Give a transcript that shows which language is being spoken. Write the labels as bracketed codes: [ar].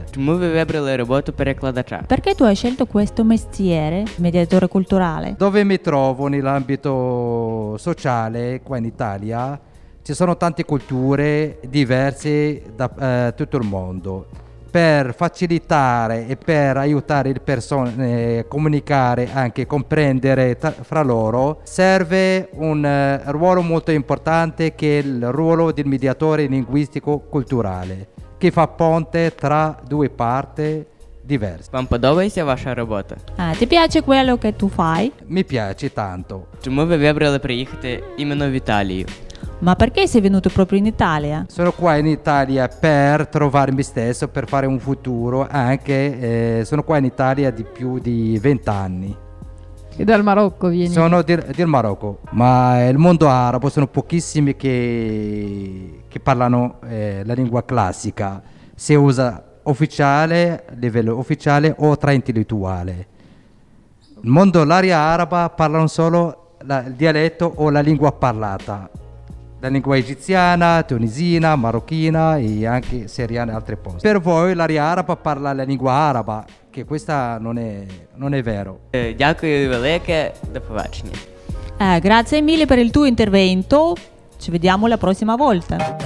[uk] Чому ви вибрали роботу перекладача? [it] Perché tu hai scelto questo mestiere, mediatore culturale? Dove mi trovo nell'ambito sociale qua in Italia? Ci sono tante culture diverse da tutto il mondo. Per facilitare e per aiutare le persone a comunicare, anche comprendere fra loro, serve un ruolo molto importante, che è il ruolo del mediatore linguistico culturale, che fa ponte tra due parti diverse. [uk] Vam podobaitsya vasha robota? [it] Ti piace quello che tu fai? Mi piace tanto. [uk] Чому ви вибрали приїхати іменно в Італію? [it] Ma perché sei venuto proprio in Italia? Sono qua in Italia per trovarmi stesso, per fare un futuro, anche sono qua in Italia di più di 20 anni. E dal Marocco vieni? Sono del Marocco, ma il mondo arabo sono pochissimi che parlano la lingua classica, se usa ufficiale, livello ufficiale o tra intellettuale. Il mondo, l'area araba, parlano solo il dialetto o la lingua parlata. la lingua egiziana, tunisina, marocchina e anche siriana e altri posti. Per voi l'aria araba parla la lingua araba, che questa non è vero. [uk] Дякую велике, до побачення. [it] Grazie mille per il tuo intervento, ci vediamo la prossima volta.